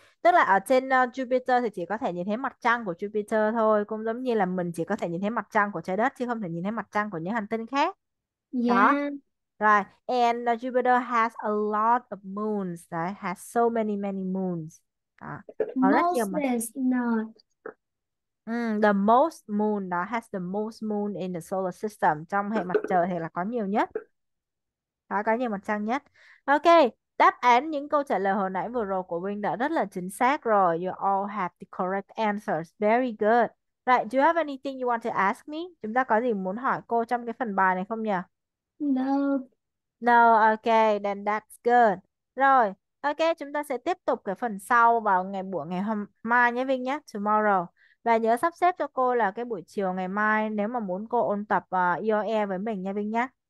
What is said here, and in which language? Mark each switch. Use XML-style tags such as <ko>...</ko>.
<vi>Tức là ở trên Jupiter thì chỉ có thể nhìn thấy mặt trăng của Jupiter thôi, cũng giống như là mình chỉ có thể nhìn thấy mặt trăng của trái đất chứ không thể nhìn thấy mặt trăng của những hành tinh khác. Đó.</vi> <en>Yeah. Right. And Jupiter has a lot of moons, right? Has so many moons.</en> <vi>À, có rất nhiều mặt.</vi> <en>Most is The most moon đó, has the most moon in the solar system.</en> <vi>Trong hệ mặt trời thì là có nhiều nhất. Đó, có nhiều mặt trăng nhất. Ok, đáp án những câu trả lời hồi nãy vừa rồi của Vinh đã rất là chính xác rồi.</vi> <en>You all have the correct answers. Very good. Right, do you have anything you want to ask me?</en> <vi>Chúng ta có gì muốn hỏi cô trong cái phần bài này không nhỉ?</vi> <en>No. No, ok, then that's good.</en> <vi>Rồi, ok, chúng ta sẽ tiếp tục cái phần sau vào ngày buổi ngày hôm mai nhé Vinh nhé, tomorrow. Và nhớ sắp xếp cho cô là cái buổi chiều ngày mai nếu mà muốn cô ôn tập IOE với mình nha Vinh nhé.</vi>